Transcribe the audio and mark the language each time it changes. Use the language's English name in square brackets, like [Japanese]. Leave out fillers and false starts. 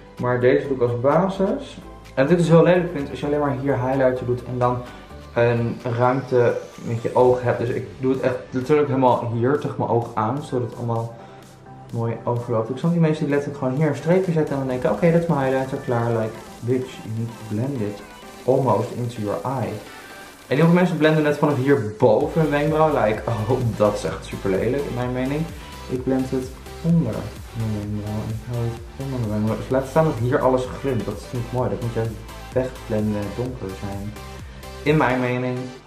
[Dutch] Maar deze doe ik als basis. En wat ik dus heel lelijk vind, als je alleen maar hier highlighter doet en dan een ruimte met je oog hebt. Dus ik doe het echt natuurlijk helemaal hier tegen mijn oog aan. Zodat het allemaal mooi overloopt. Ik zag die mensen die letterlijk gewoon hier een streepje zetten. En dan denken, oké, dat is mijn highlighter klaar. [English] Like, bitch, you need to blend it almost into your eye. [Dutch] En heel veel mensen blenden net vanaf hier boven hun wenkbrauw. Like, oh, dat is echt super lelijk in mijn mening. Ik blend het onder mijn wenkbrauw. Ik hou het onder mijn wenkbrauw. Dus laat staan dat hier alles glimt. Dat is niet mooi. Dat moet juist wegblenden en donker zijn. In mijn mening.